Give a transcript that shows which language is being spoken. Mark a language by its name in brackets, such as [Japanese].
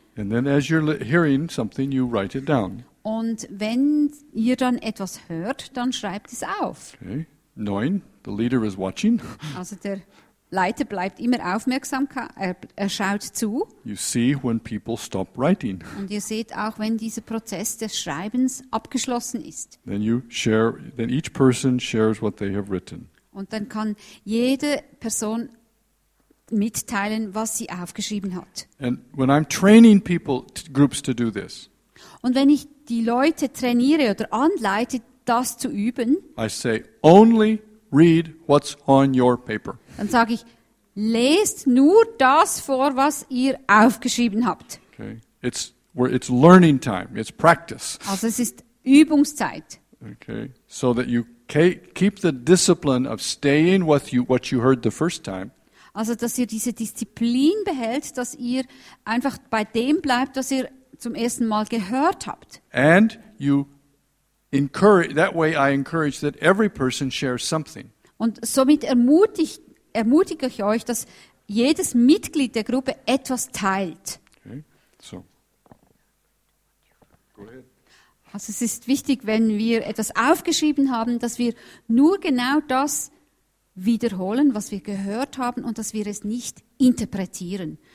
[English] And then as you're hearing something, you write it down. [German] Und wenn ihr dann etwas hört, dann schreibt es auf. [English] Okay. 9, the leader is watching. [German] Also der Leiter bleibt immer aufmerksam, er schaut zu. [English] You see when people stop writing. [German] Und ihr seht auch, wenn dieser Prozess des Schreibens abgeschlossen ist. [English] Then you share, then each person shares what they have written. [German] Und dann kann jede Person mitteilen, was sie aufgeschrieben hat. [English] And when I'm training people, groups to do this. [German] Und wenn ich die Leute trainiere oder anleite, das zu üben, [English] I say only read what's on your paper. [German] Dann sage ich, lest nur das vor, was ihr aufgeschrieben habt. [English] Okay. It's learning time. It's practice. [German] Also es ist Übungszeit. [English] Okay. So that you keep the discipline of staying with what you heard the first time. [German] Also dass ihr diese Disziplin behält, dass ihr einfach bei dem bleibt, was ihr zum ersten Mal gehört habt. [English] And you encourage, that way I encourage that every person shares something. [German] Und somit ermutige ich euch, dass jedes Mitglied der Gruppe etwas teilt. [English] Okay. So. Go ahead. [German] Also es ist wichtig, wenn wir etwas aufgeschrieben haben, dass wir nur genau das wiederholen, was wir gehört haben und dass wir es nicht interpretieren.